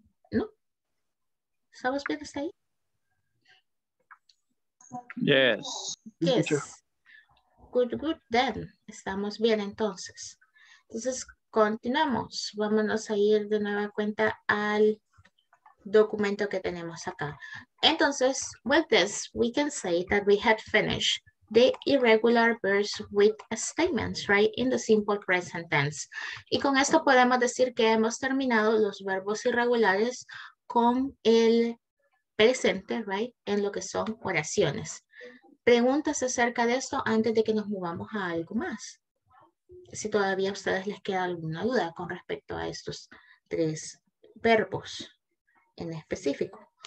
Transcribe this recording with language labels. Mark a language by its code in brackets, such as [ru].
[es] ¿No? ¿Estamos bien hasta ahí? [en] Yes. Yes. Good, good, then. [es] Estamos bien entonces. Entonces, continuamos. Vámonos a ir de nueva cuenta al documento que tenemos acá. Entonces, [en] with this, we can say that we had finished the irregular verbs with statements, right? In the simple present tense. [es] Y con esto podemos decir que hemos terminado los verbos irregulares con el presente, right? En lo que son oraciones. ¿Preguntas acerca de esto antes de que nos movamos a algo más? Si todavía a ustedes les queda alguna duda con respecto a estos tres verbos en específico.